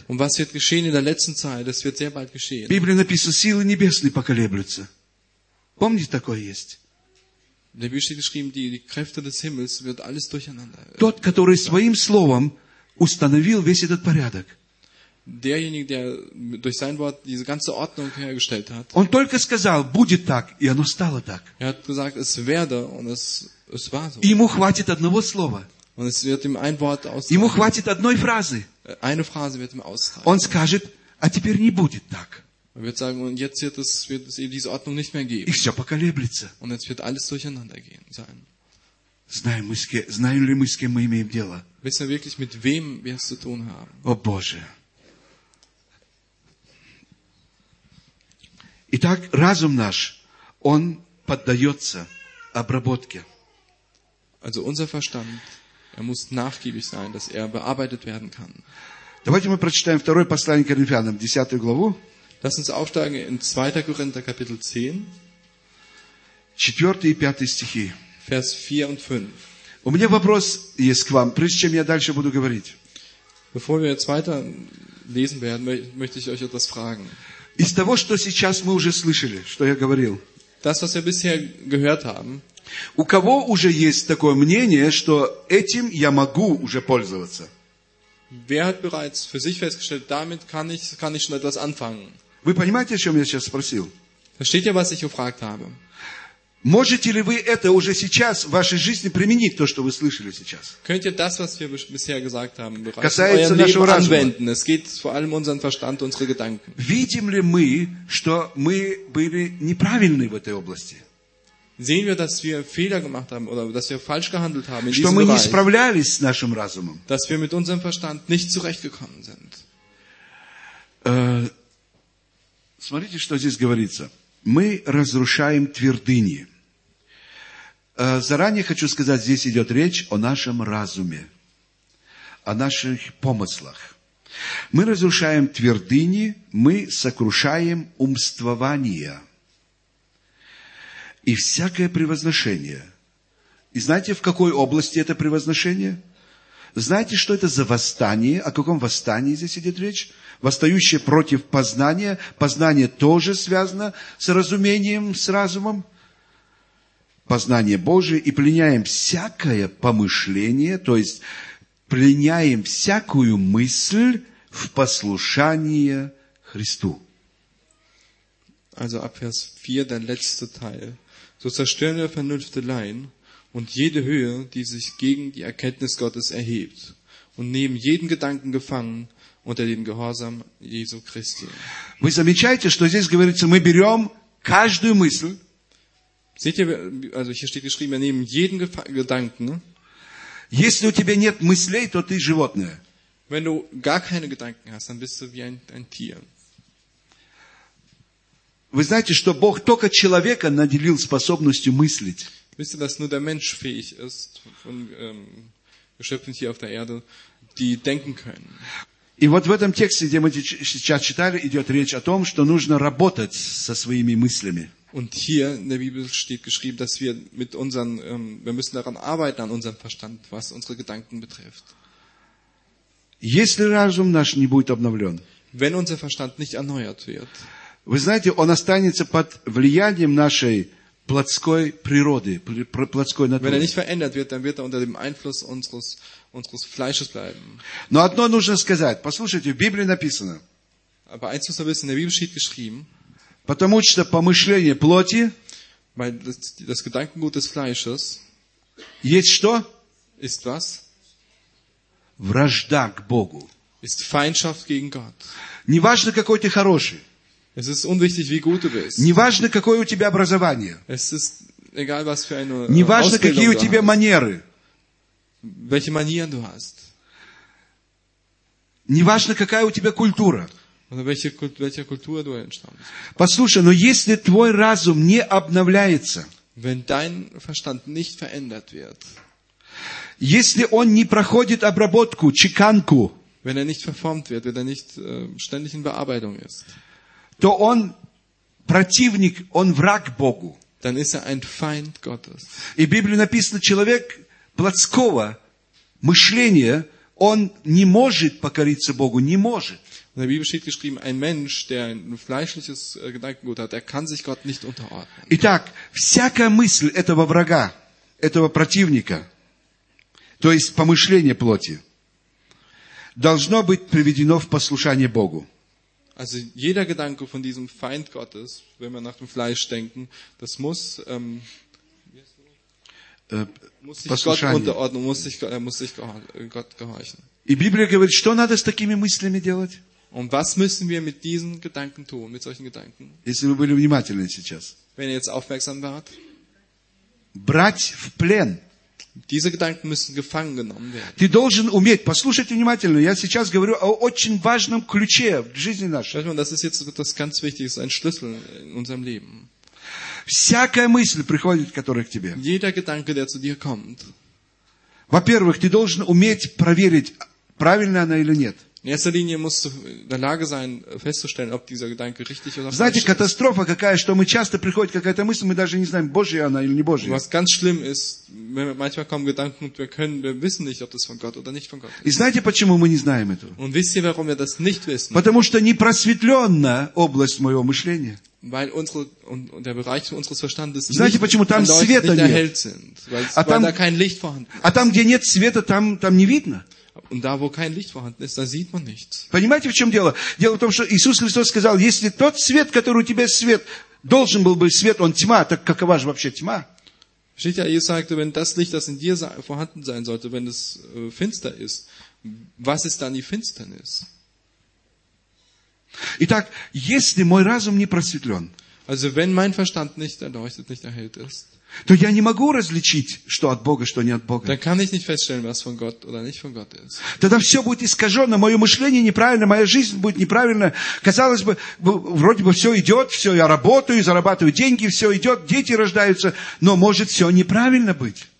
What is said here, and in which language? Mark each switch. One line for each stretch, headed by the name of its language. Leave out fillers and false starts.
German: Und was wird geschehen in der letzten Zeit, das wird sehr bald geschehen.
Russian: В Библии написано, силы небесные поколеблются. Помните, такое есть?
German: In der Bibel steht geschrieben, die Kräfte des Himmels wird alles durcheinander.
Russian: Тот, который своим словом установил весь этот порядок.
German: Derjenige, der durch sein Wort diese ganze Ordnung hergestellt hat.
Russian: Он только сказал, будет так, и оно стало так.
German: Er hat gesagt, es werde, und es war so.
Russian: Ему хватит одного слова.
German: Und es wird ihm ein Wort ausreichen.
Russian: Ему хватит одной фразы.
German: Eine Phrase wird ihm ausreichen.
Russian: Он скажет, а теперь не будет так.
German: Man wird sagen, und jetzt wird es eben diese Ordnung nicht mehr geben.
Russian: И все поколеблется.
German: Und jetzt wird alles durcheinander gehen sein.
Russian: Знаем ли мы, с кем мы имеем дело?
German: Wissen wir wirklich, mit wem wir es zu tun haben?
Russian: О Боже! Итак, разум наш, он поддается обработке.
German: Also unser Verstand, er muss nachgiebig sein, dass er bearbeitet werden kann.
Russian: Давайте мы прочитаем второе послание к Коринфянам, 10 главу.
German: Lass uns aufsteigen in 2. Korinther, Kapitel 10.
Russian: 4 и 5 стихи.
German: Vers 4 und 5.
Russian: У меня вопрос есть к вам, прежде чем я дальше буду говорить.
German: Bevor wir jetzt weiter lesen werden, möchte ich euch etwas fragen.
Russian: Из того, что сейчас мы уже слышали, что я говорил.
German: Das, was wir bisher gehört haben.
Russian: У кого уже есть такое мнение, что этим я могу уже пользоваться?
German: Wer hat bereits für sich festgestellt, damit kann ich schon etwas anfangen?
Russian: Вы понимаете, о чем я сейчас спросил?
German: Versteht ihr, was ich gefragt habe?
Russian: Можете ли вы это уже сейчас в вашей жизни применить, то, что вы слышали сейчас?
German: Könnt ihr das, was wir bisher gesagt haben, bereits in eurem Leben anwenden? Es geht vor allem um unseren Verstand, unsere Gedanken.
Russian: Видим ли мы, что мы были неправильны в этой области?
German: Sehen wir, dass wir Fehler gemacht haben oder dass wir falsch gehandelt haben in
Russian: что
German: diesem Bereich.
Russian: Что мы не справлялись с нашим разумом.
German: Dass wir mit unserem Verstand nicht zurechtgekommen sind.
Russian: Смотрите, что здесь говорится. Мы разрушаем твердыни. Заранее хочу сказать, здесь идет речь о нашем разуме, о наших помыслах. Мы разрушаем твердыни, мы сокрушаем умствования и всякое превозношение. И знаете, в какой области это превозношение? Знаете, что это за восстание? О каком восстании здесь идет речь? Восстающее против познания. Познание тоже связано с разумением, с разумом. Познание Божие. И пленяем всякое помышление, то есть пленяем всякую мысль в послушание Христу.
German: Also ab Vers 4, der letzte Teil. So zerstören wir Vernünfteleien und jede Höhe, die sich gegen die Erkenntnis Gottes erhebt, und nehmen jeden Gedanken gefangen unter den Gehorsam Jesu Christi.
Russian: Вы замечаете, что здесь говорится, мы берем каждую мысль.
German: Seht ihr, also hier steht geschrieben, wir nehmen jeden Gedanken.
Russian: Если у тебя нет мыслей, то ты животное.
German: Wenn du gar keine Gedanken hast, dann bist du wie ein Tier.
Russian: Вы знаете, что Бог только человека наделил способностью мыслить.
German: Wisst ihr, dass nur der Mensch fähig ist, von Geschöpfen hier auf der Erde, die denken können.
Russian: И вот в этом тексте, где мы сейчас читали, идет речь о том, что нужно работать со своими мыслями.
German: Und hier in der Bibel steht geschrieben, dass wir mit unseren, wir müssen daran arbeiten, an unserem Verstand, was unsere Gedanken betrifft.
Russian: Если разум наш не будет обновлен,
German: wenn unser Verstand nicht erneuert wird,
Russian: вы знаете, он останется под влиянием нашей плотской природы, плотской натуры.
German: Wenn er nicht verändert wird, dann wird er unter dem Einfluss unseres Fleisches bleiben.
Russian: Но одно нужно сказать. Послушайте, в Библии написано.
German: Aber eins muss man wissen, in der Bibel steht geschrieben.
Russian: Потому что помышление плоти,
German: weil das Gedankengut des Fleisches,
Russian: есть что?
German: Ist was?
Russian: Вражда к Богу.
German: Ist Feindschaft gegen Gott.
Russian: Не важно, какой ты хороший.
German: Es ist unwichtig, wie gut du bist.
Russian: Не важно, какое у тебя образование.
German: Es ist egal, was für eine
Russian: Не важно, какие у тебя манеры.
German: Welche Manieren du hast.
Russian: Не важно, какая у тебя культура.
German: Oder welche Kultur du entstammst.
Russian: Послушай, но если твой разум не обновляется,
German: wenn dein Verstand nicht verändert wird,
Russian: если он не проходит обработку, чеканку,
German: wenn er nicht verformt wird, wenn er nicht ständig in Bearbeitung ist,
Russian: то он противник, он враг Богу.
German: Dann ist er ein Feind Gottes.
Russian: И в Библии написано, человек плотского мышления, он не может покориться Богу, не может.
German: In der Bibel steht geschrieben, ein Mensch, der ein fleischliches Gedankengut hat, der kann sich Gott nicht unterordnen.
Russian: Итак, всякая мысль этого врага, этого противника, то есть помышление плоти, должно быть приведено в послушание Богу.
German: Also jeder Gedanke von diesem Feind Gottes, wenn wir nach dem Fleisch denken, das muss sich
Russian: послушание.
German: Gott unterordnen, muss sich Gott gehorchen.
Russian: И Библия говорит, что надо с такими мыслями делать?
German: Und was müssen wir mit diesen Gedanken tun, mit solchen Gedanken?
Russian: Если вы были внимательны сейчас.
German: Wenn ihr jetzt aufmerksam wart.
Russian: Брать в плен.
German: Diese Gedanken müssen gefangen genommen werden.
Russian: Ты должен уметь, послушайте внимательно, я сейчас говорю о очень важном ключе в жизни нашей.
German: Schau mal, das ist jetzt das ganz Wichtige, ein Schlüssel in unserem Leben.
Russian: Всякая мысль приходит, которая к тебе.
German: Jeder Gedanke, der zu dir kommt.
Russian: Во-первых, ты должен уметь проверить, правильна она или нет.
German: In erster Linie musst du in der Lage sein, festzustellen, ob dieser Gedanke richtig oder falsch ist.
Russian: Знаете, катастрофа какая, что мы часто приходит какая-то мысль, мы даже не знаем, Божья она или не Божья.
German: Was ganz schlimm ist, manchmal kommen Gedanken und wir wissen nicht, ob das von Gott oder nicht von Gott ist.
Russian: И знаете, почему мы не знаем это?
German: Und wisst ihr, warum wir das nicht wissen?
Russian: Потому что не просветленная область моего мышления.
German: Weil unsere und der Bereich unseres Verstandes
Russian: знаете, почему там света
German: nicht erhellt sind, weil da kein Licht vorhanden ist.
Russian: А там, где нет света, там не видно.
German: Und da, wo kein Licht vorhanden ist, da sieht man nichts.
Russian: Понимаете, в чем дело? Дело в том, что Иисус Христос сказал, если тот свет, который у тебя свет, должен был быть свет, он тьма, так какова же вообще тьма?
German: Versteht ihr, Jesus sagte, wenn das Licht, das in dir vorhanden sein sollte, wenn es finster ist, was ist dann die Finsternis?
Russian: Итак, если мой разум не просветлен,
German: also wenn mein Verstand nicht erleuchtet, nicht erhellt ist,
Russian: то я не могу различить, что от Бога, что не от Бога.
German: Dann kann ich nicht feststellen, was von Gott oder nicht von Gott ist.
Russian: Тогда все будет искажено, мое мышление неправильно, моя жизнь будет неправильно. Казалось бы, вроде бы все идет, все, я работаю, зарабатываю деньги, все идет, дети рождаются, но может все неправильно быть.